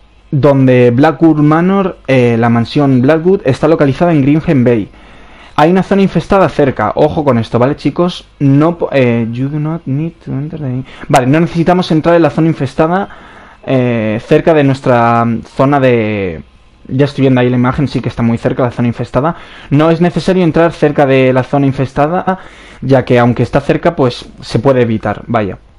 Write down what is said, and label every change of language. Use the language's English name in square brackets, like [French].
[Spanish] Donde Blackwood Manor, la mansión Blackwood, está localizada en Grimhaven Bay. Hay una zona infestada cerca. Ojo con esto, ¿vale, chicos? [English] No, you do not need to enter the... [Spanish] Vale, no necesitamos entrar en la zona infestada cerca de nuestra zona de... Ya estoy viendo ahí la imagen, sí que está muy cerca la zona infestada. No es necesario entrar cerca de la zona infestada, ya que aunque está cerca, pues se puede evitar. Vaya.